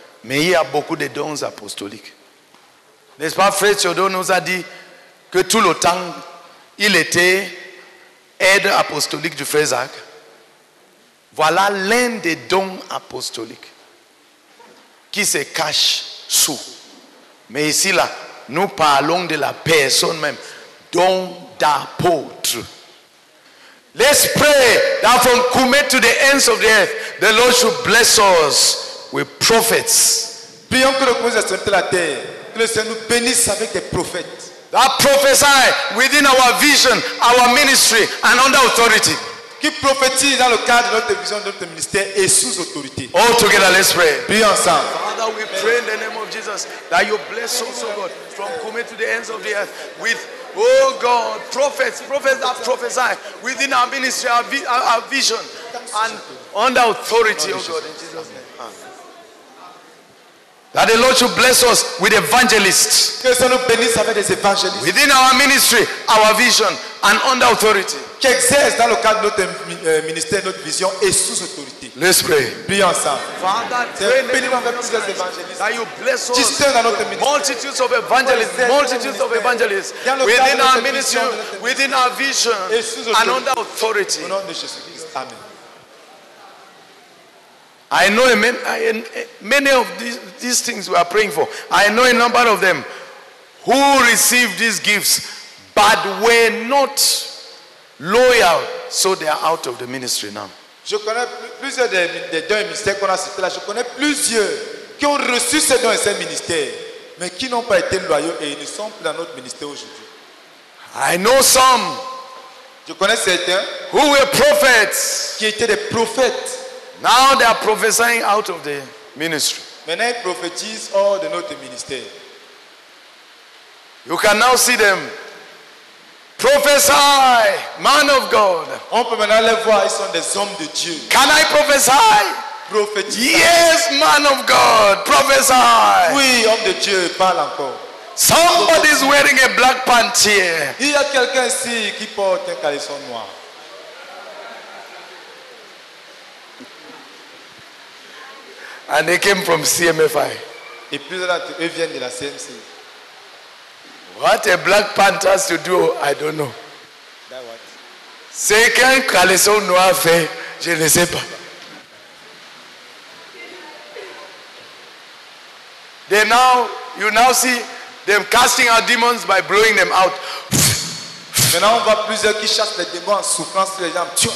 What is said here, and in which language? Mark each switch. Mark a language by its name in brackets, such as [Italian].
[French] Mais il y a beaucoup de dons apostoliques. N'est-ce pas, Frère Thiodo nous a dit que tout le temps, il était aide apostolique du Frère Zach. Voilà l'un des dons apostoliques qui se cache sous. Mais ici là, nous parlons de la personne même, don d'apôtre. [English] Let's pray that from Kumé to the ends of the earth, the Lord should bless us with prophets. [French] Prions que le Seigneur nous bénisse de la terre, que le Seigneur nous bénisse avec des prophètes. [English] That prophesy within our vision, our ministry, and under authority. [French] Qui prophétise dans le cadre de notre vision, de notre ministère et sous autorité. [English] All together, let's pray. [French] Prions ensemble. [English] Father, we pray in the name of Jesus that you bless us, O God, from Kumé to the ends of the earth with, oh God, prophets that prophesy within our ministry, our vision, and under authority, O God, in Jesus' name. That the Lord should bless us with evangelists. Within our ministry, our vision, and under authority. [French] Qui exerce dans le cadre de notre ministère, notre vision et sous autorité. [English] Let's pray. [French] Prions ensemble. [English] Father, pray in the name of Jesus Christ. Multitudes of evangelists, within our ministry, within our vision, and under authority. [French] Au nom de Jésus Christ. Amen. [English] I know many of these things we are praying for. I know a number of them who received these gifts but were not loyal, so they are out of the ministry now. [French] Je connais plusieurs des dons et ministères qu'on a cités là. Je connais plusieurs qui ont reçu ces dons et ces ministères, mais qui n'ont pas été loyaux et ils ne sont plus dans notre ministère aujourd'hui. [English] I know some. [French] Je connais certains [English] who were prophets. [French] Qui étaient des prophètes. [English] Now they are prophesying out of the ministry. [French] Maintenant ils prophétisent hors de notre ministère. [English] You can now see them. Prophesy, man of God. [French] On peut maintenant les voir, ils sont des hommes de Dieu. [English] Can I prophesy? [French] Prophétise. [English] Yes, man of God, prophesy. [French] Oui, homme de Dieu, parle encore. [English] Somebody is wearing a black pant here. [French] Il y a quelqu'un ici qui porte un caleçon noir. [English] And they came from CMFI. [French] Et plus là, eux viennent de la CMC. [English] What a black pant has to do, I don't know. That what? [French] C'est qu'un caleçon noir fait, je ne sais pas. [English] They now, you now see them casting out demons by blowing them out. [French] Maintenant, on voit plusieurs qui chassent les démons en soufflant sur les jambes.